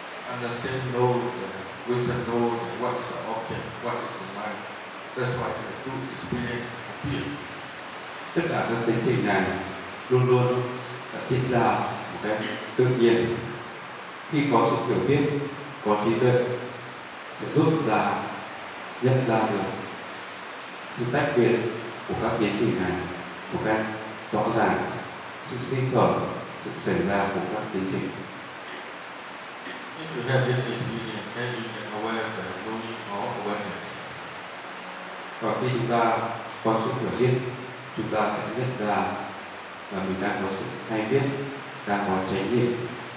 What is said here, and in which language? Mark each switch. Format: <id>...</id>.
<en>Understand know the wisdom know what is the object, what is the mind. That's why the two experience appear.</en> <vi>Tất cả các tiến trình này luôn luôn đã diễn ra một cách tự nhiên. Khi có sự hiểu biết, có trí tuệ, sẽ giúp là nhận ra được sự tách biệt của các tiến trình này một cách rõ ràng sự sinh khởi, sự xảy ra của các tiến trình.</vi> <en>If you have this experience, then you can aware of the knowing of awareness.</en> <vi>Và khi chúng ta có sự hiểu biết, chúng ta sẽ biết ra là mình đang có sự hay biết, đang có chánh niệm.</vi>